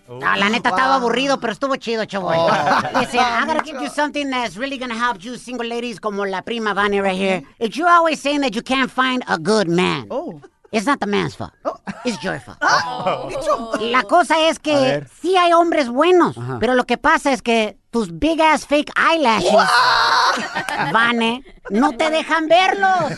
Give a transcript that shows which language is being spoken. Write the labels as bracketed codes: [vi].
[es] No, la neta estaba aburrido, pero estuvo chido, chavo. [en] Listen, I gotta give you something that's really gonna help you single ladies [es] como la prima Vane [en] right here. If you're always saying that you can't find a good man. Oh. It's not the man's fault. Oh. It's your fault. Oh. [es] La cosa es que sí hay hombres buenos, uh-huh. pero lo que pasa es que tus [en] big ass fake eyelashes, [es] Vane, no te dejan verlos.